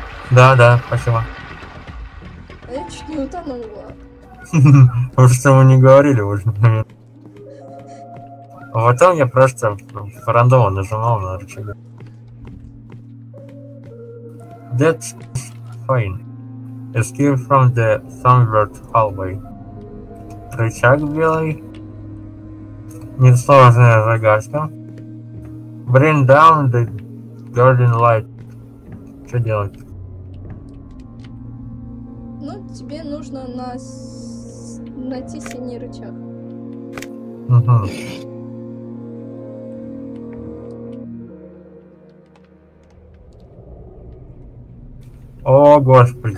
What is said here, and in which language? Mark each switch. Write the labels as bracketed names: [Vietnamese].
[Russian] Да, да, спасибо. А я чуть не утонула. Вы что, мы не говорили в этот момент. А потом я просто рандомно нажимал на рычаг. [English] That's fine. Escape from the Thunderbird hallway. [Russian] Рычаг белый. Несложная загадка. [English] Bring down the garden light. [Russian] Что делать? Ну, тебе нужно найти синий рычаг. О, господи.